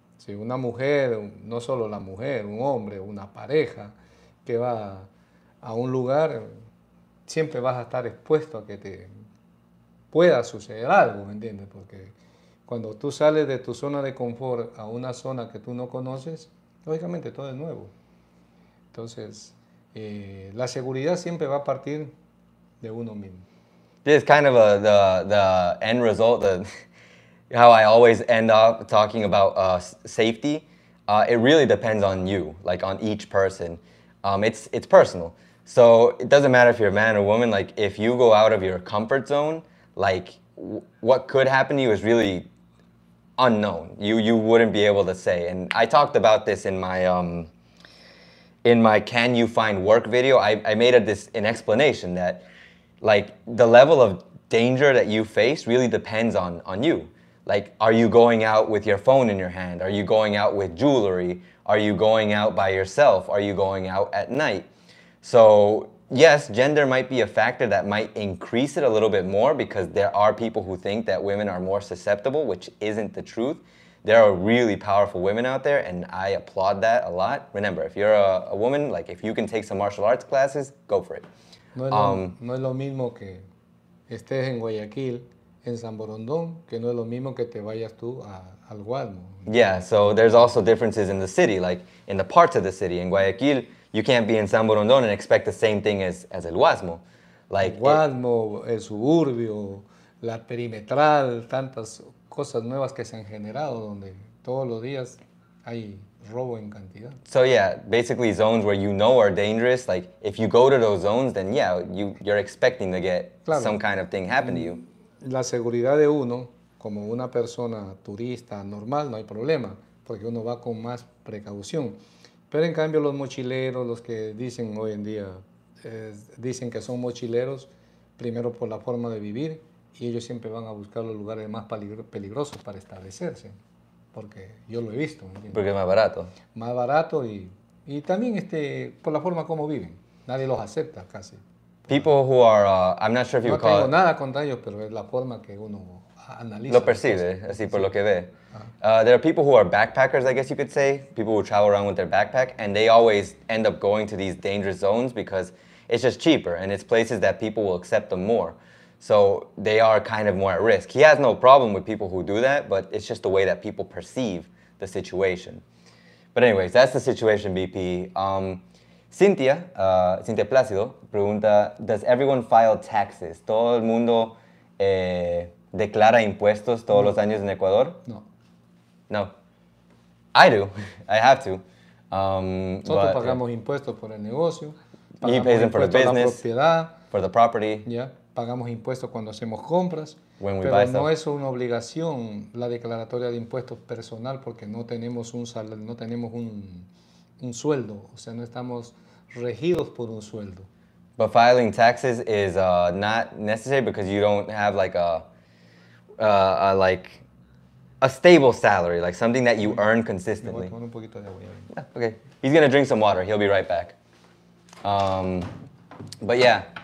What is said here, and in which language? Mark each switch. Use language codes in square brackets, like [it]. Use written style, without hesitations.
[es] Si una mujer, no solo la mujer, un hombre, una pareja que va a un lugar, siempre vas a estar expuesto a que te pueda suceder algo, ¿me entiendes? Porque cuando tú sales de tu zona de confort a una zona que tú no conoces, lógicamente todo es nuevo. Entonces, la seguridad siempre va a partir de uno mismo. [en] This is kind of the end result, how I always end up talking about safety. It really depends on you, like on each person. It's personal. So it doesn't matter if you're a man or a woman, like if you go out of your comfort zone, like what could happen to you is really unknown. You wouldn't be able to say. And I talked about this in my Can You Find Work video. I made an explanation that like the level of danger that you face really depends on you. Like, are you going out with your phone in your hand? Are you going out with jewelry? Are you going out by yourself? Are you going out at night? So yes, gender might be a factor that might increase it a little bit more, because there are people who think that women are more susceptible, which isn't the truth. There are really powerful women out there, and I applaud that a lot. Remember, if you're a woman, like if you can take some martial arts classes, go for it. [es] No es lo mismo que estés en Guayaquil, en San Borondón, que no es lo mismo que te vayas tú al Guadmo. [en] Yeah, so there's also differences in the city, like in the parts of the city. In Guayaquil, you can't be in San Borondón and expect the same thing as el Guasmo. Like [es] Guasmo, el suburbio, la perimetral, tantas cosas nuevas que se han generado donde todos los días hay robo en cantidad. [en] So yeah, basically zones where you know are dangerous, like if you go to those zones, then yeah, you're expecting to get claro, some kind of thing happen to you. [es] La seguridad de uno, como una persona turista normal, no hay problema, porque uno va con más precaución. Pero en cambio los mochileros, los que dicen hoy en día, dicen que son mochileros, primero por la forma de vivir, y ellos siempre van a buscar los lugares más peligrosos para establecerse. Porque yo lo he visto. ¿Entiendes? Porque es más barato. Más barato y también por la forma como viven. Nadie los acepta casi. [en] People who are, I'm not sure if [es] no [en] you call [es] it. No tengo nada contra ellos, pero es la forma que uno analiza. Lo percibe, así por sí. Lo que ve. [en] There are people who are backpackers, I guess you could say. People who travel around with their backpack, and they always end up going to these dangerous zones because it's just cheaper, and it's places that people will accept them more. So they are kind of more at risk. He has no problem with people who do that, but it's just the way that people perceive the situation. But anyways, that's the situation, BP. Cynthia Plácido pregunta, does everyone file taxes? [es] ¿Todo el mundo declara impuestos todos los años en Ecuador? No. [en] No. I do. I have to. [es] Nosotros pagamos impuestos por el negocio. [en] He pays them for the business. [es] La propiedad. [en] For the property. [es] Yeah. Pagamos impuestos cuando hacemos compras, pero no es una obligación la declaratoria de impuestos personal porque no tenemos un salario, no tenemos un sueldo, o sea, no estamos regidos por un sueldo. [en] But filing taxes is not necessary because you don't have like a stable salary, like something that you earn consistently. [es] Voy a tomar un poquito de agua. [en] Yeah, okay, he's gonna drink some water. He'll be right back. But yeah.